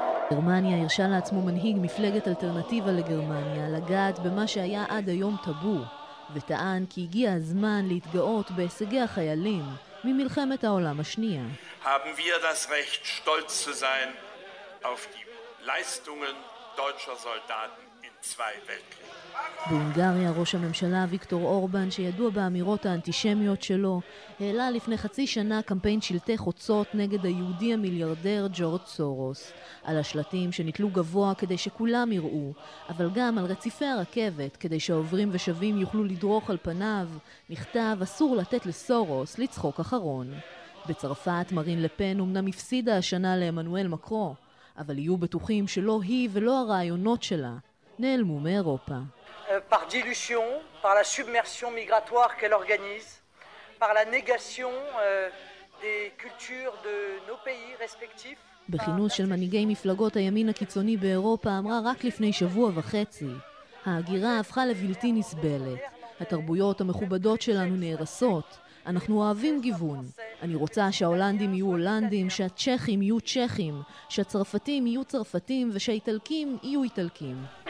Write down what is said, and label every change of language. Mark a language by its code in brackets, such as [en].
[he] גרמניה הרשה לעצמו מנהיג מפלגת אלטרנטיבה לגרמניה לגעת במה שהיה עד היום טבו, וטען כי הגיע הזמן להתגאות בהישגי החיילים ממלחמת העולם השנייה. [de] Haben wir das Recht, stolz zu sein auf die Leistungen deutscher Soldaten in zwei Weltkriegen. [he] בהונגריה ראש הממשלה ויקטור אורבן, שידוע באמירות האנטישמיות שלו, העלה לפני חצי שנה קמפיין שלטי חוצות נגד היהודי המיליארדר ג'ורג' סורוס, על השלטים שנתלו גבוה כדי שכולם יראו, אבל גם על רציפי הרכבת כדי שהעוברים ושבים יוכלו לדרוך על פניו, נכתב אסור לתת לסורוס לצחוק אחרון. בצרפת מרין לפן אמנם הפסידה השנה לאמנואל מקרו, אבל יהיו בטוחים שלא היא ולא הרעיונות שלה נעלמו מאירופה. [fr] Par dilution, par la submersion migratoire qu'elle organise, par la négation des cultures de nos pays respectifs. [he] בכינוס של מנהיגי מפלגות הימין הקיצוני באירופה אמרה רק לפני שבוע וחצי, ההגירה הפכה לבלתי נסבלת, התרבויות המכובדות שלנו נהרסות, אנחנו אוהבים גיוון, אני רוצה שההולנדים יהיו הולנדים, שהצ'כים יהיו צ'כים, שהצרפתים יהיו צרפתים ושהאיטלקים יהיו איטלקים.